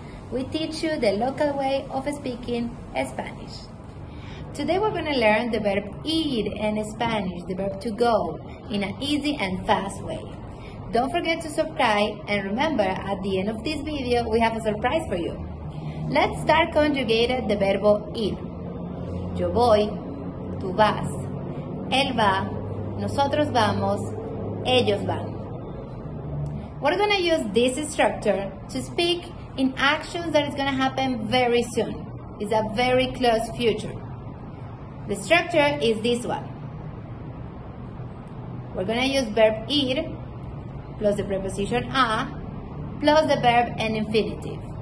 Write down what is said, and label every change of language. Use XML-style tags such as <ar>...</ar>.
<en>We teach you the local way of speaking Spanish. Today we're going to learn the verb ir in Spanish, the verb to go, in an easy and fast way. Don't forget to subscribe, and remember, at the end of this video, we have a surprise for you. Let's start conjugating the verbo ir.</en> <es>Yo voy, tú vas, él va, nosotros vamos, ellos van.</es> <en>We're going to use this structure to speak in actions that is going to happen very soon. It's a very close future. The structure is this one. We're going to use verb ir plus the preposition a plus the verb and infinitive.</en>